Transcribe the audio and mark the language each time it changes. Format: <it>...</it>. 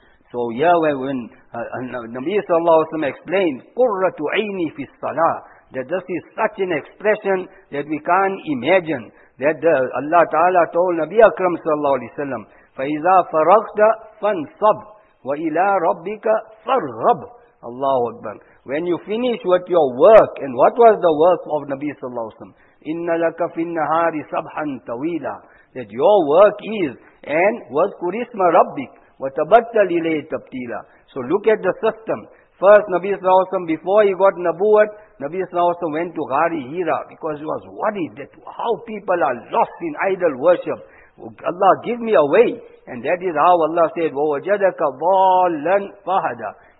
<en>So here when Nabi sallallahu alayhi wa sallam explained,</en> <ar>قُرَّةُ عَيْنِي فِي الصَّلَاةِ,</ar> <en>that this is such an expression that we can't imagine, that Allah ta'ala told Nabi Akram sallallahu alayhi wa sallam,</en> <ar>فَإِذَا فَرَغْتَ فَانْصَبْ وَإِلَىٰ رَبِّكَ فَرْغَبْ.</ar> <en>Allahu Akbar. When you finish with your work, and what was the work of Nabi sallallahu alayhi wa sallam?</en> <ar>إِنَّ لَكَ فِي النَّهَارِ سَبْحًا تَوِيلًا.</ar> <en>That your work is, and</en> <ar>وَذْكُرْ إِسْمَ رَبِّكَ وَتَبَتَّلْ إِلَيْهِ تَبْتِيلًا.</ar> <en>So look at the system. First, Nabi sallallahu alayhi wa sallam, before he got Nabuwat, Nabi sallallahu alayhi wa sallam went to Ghari Hira, because he was worried that how people are lost in idol worship. Allah, give me a way. And that is how Allah said,</en> <ar>وَوَجَدَكَ ضَالًا فَهَدًا.</ar>